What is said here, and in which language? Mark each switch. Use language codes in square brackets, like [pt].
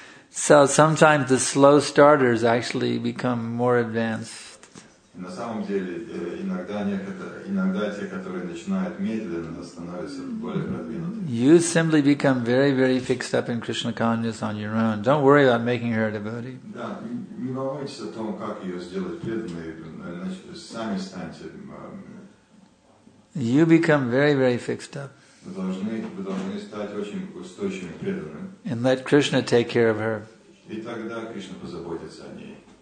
[en] So sometimes the slow starters actually become more advanced. [ru] На самом деле, иногда те, которые начинают медленно, становятся более продвинутыми. [en] You simply become very, very fixed up in Krishna consciousness on your own. Don't worry about making her a devotee. [ru] Да, не волнуйтесь о том, как ее сделать преданной, значит, сами станьте. [en] You become very, very fixed up. [ru] Вы должны стать очень устойчивым преданным. [en] And let Krishna take care of her. [ru] И тогда Кришна позаботится о ней.